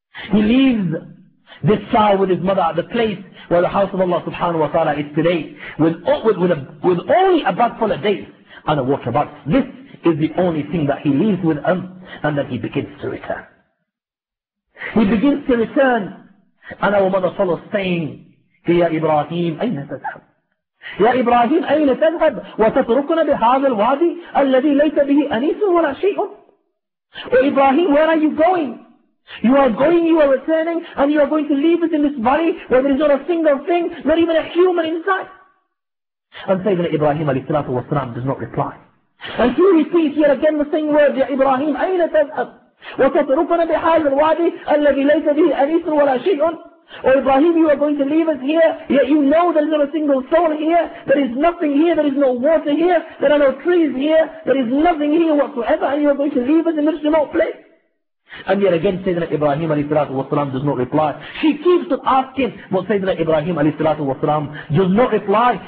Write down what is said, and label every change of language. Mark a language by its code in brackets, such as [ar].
[en] He leaves this child with his mother at the place where the house of Allah subhanahu wa ta'ala is today, with only a bag full of dates and a water bottle. This is the only thing that he leaves with him, and then he begins to return. He begins to return, and our mother follows saying, Ya Ibrahim, [ar] أين تذهب? Ya Ibrahim, أين تذهب? وتتركنا بهذا الوادي الذي ليس به أنيس ولا شيء. [en] Oh Ibrahim, where are you going? You are going, you are returning, and you are going to leave us in this body where there is not a single thing, not even a human inside. And Sayyidina Ibrahim alayhi salatu wa salam does not reply. And he repeats yet again the same word, Ya Ibrahim, [ar] أين تذهب? وتتركنا بهذا الوادي الذي ليس به أنيس ولا شيء. [en] Oh Ibrahim, you are going to leave us here, yet you know there is not a single soul here, there is nothing here, there is no water here, there are no trees here, there is nothing here whatsoever, and you are going to leave us in this remote place. And yet again Sayyidina Ibrahim alayhi salatu wasalam does not reply. She keeps on asking, but Sayyidina Ibrahim alayhi salatu wasalam does not reply.